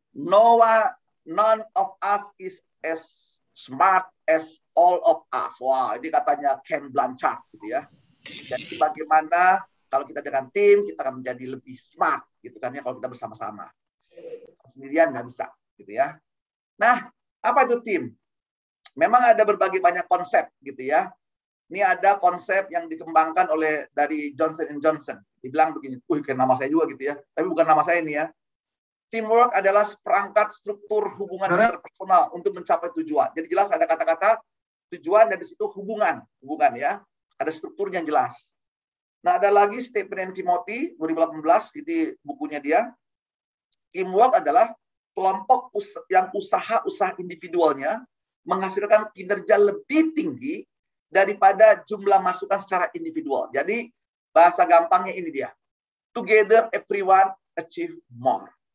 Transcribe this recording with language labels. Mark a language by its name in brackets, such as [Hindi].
[English] None of us is as smart as all of us. [Indonesian] Wah, ini katanya Ken Blanchard gitu ya. Jadi bagaimana kalau kita dengan tim kita akan menjadi lebih smart gitu kan ya kalau kita bersama-sama. Sendirian enggak bisa gitu ya. Nah, apa itu tim? Memang ada berbagai banyak konsep gitu ya. Ini ada konsep yang dikembangkan oleh dari Johnson & Johnson. Dibilang begini, kayak nama saya juga gitu ya. Tapi bukan nama saya ini ya. Teamwork adalah seperangkat struktur hubungan interpersonal untuk mencapai tujuan. Jadi jelas ada kata-kata tujuan dan di situ hubungan. Hubungan ya. Ada strukturnya yang jelas. Nah, ada lagi statement Timothy 2018, jadi bukunya dia. Teamwork adalah kelompok yang usaha-usaha individualnya menghasilkan kinerja lebih tinggi daripada jumlah masukan secara individual. Jadi, bahasa gampangnya ini dia. [English] Together, everyone achieve more.